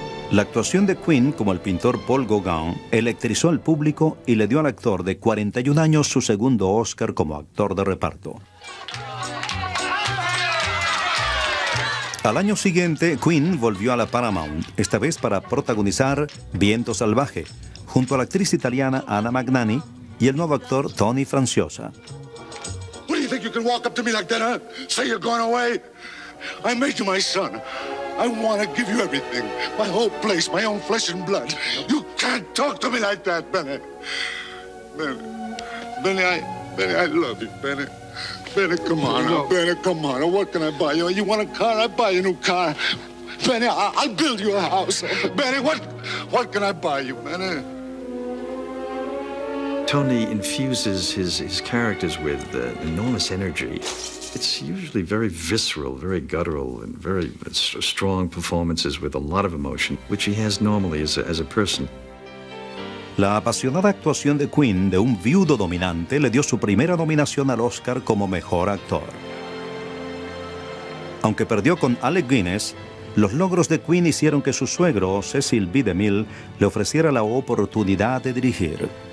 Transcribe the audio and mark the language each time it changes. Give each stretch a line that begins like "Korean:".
Spanish: La actuación de Quinn como el pintor Paul Gauguin electrizó al público y le dio al actor de 41 años su segundo Oscar como actor de reparto. Al año siguiente, Quinn volvió a la Paramount, esta vez para protagonizar Viento Salvaje, junto a la actriz italiana Anna Magnani y el nuevo actor Tony Franciosa.
English: What do you think you can walk up to me like that, huh? Say you're going away? I made you my son. I want to give you everything. My whole place, my own flesh and blood. You can't talk to me like that, Benny. Benny, I love you, Benny. Benny, come on. No. Benny, come on. What can I buy you? You want a car? I'll buy you a new car. Benny, I'll build you a house. Benny, what can I buy you, Benny? Tony infuses his characters with enormous energy. It's usually very visceral, very guttural, and very strong performances with a lot of emotion, which he has normally as a person.
Spanish: La apasionada actuación de Quinn, de un viudo dominante, le dio su primera nominación al Oscar como mejor actor. Aunque perdió con Alec Guinness, los logros de Quinn hicieron que su suegro, Cecil B. DeMille, le ofreciera la oportunidad de dirigir.